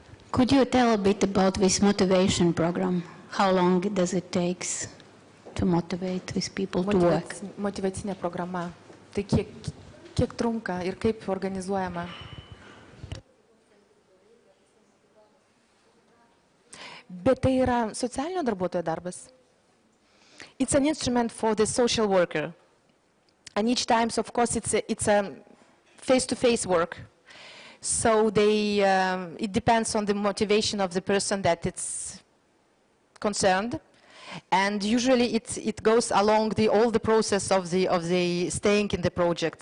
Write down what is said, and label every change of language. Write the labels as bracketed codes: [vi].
[en] Could you tell a bit about this motivation program? How long does it take to motivate these people to work? [lt] Motivacinė programa. Tai kiek trunka ir kaip organizuojama? Bet tai yra socialinio darbuotojo darbas. [en] It's an instrument for the social worker. And each time, of course, it's a face-to-face work. So they it depends on the motivation of the person that it's concerned. And usually it goes along all the process of the staying in the project.